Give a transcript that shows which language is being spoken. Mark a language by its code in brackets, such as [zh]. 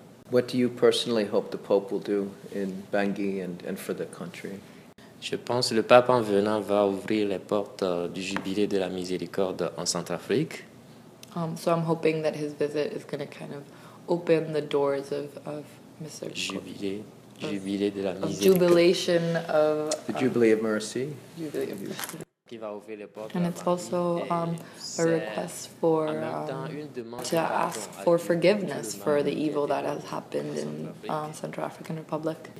[en] What do you personally hope the Pope will do in Bangui and for the country? [fr] Je pense le pape en venant va ouvrir les portes du jubilé de la miséricorde en Centrafrique. [en] So I'm hoping that his visit is going to kind of open the doors of Mr. [fr] Jubilé, jubilé de la miséricorde. [en] Jubilation of the Jubilee of Mercy. And it's also a request for to ask for forgiveness for the evil that has happened in Central African Republic.